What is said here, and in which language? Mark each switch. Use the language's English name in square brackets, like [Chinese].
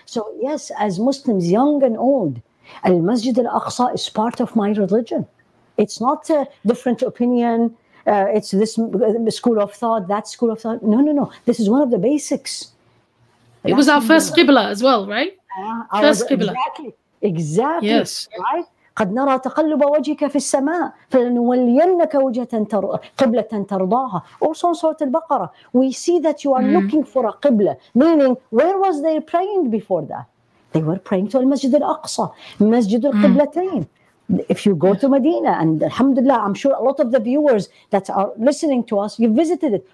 [English] So, yes, as Muslims, young and old, Al-Masjid Al-Aqsa is part of my religion. It's not a different opinion. It's this school of thought, that school of thought. No, no, no. This is one of the basics. It was our first Qibla as well, right? First Qibla. Exactly. Yes. Right. [Arabic] قد نرى تقلب وجهك في السماء فلنولينك وجهة قبلة ترضاها. [English] Also in Surah Al-Baqarah, we see that you are looking for a qibla. Meaning, where was they praying before that? They were praying to Al-Masjid Al-Aqsa, Masjid Al-Qiblatain. If you go to Medina, and Alhamdulillah, I'm sure a lot of the viewers that are listening to us, you visited it.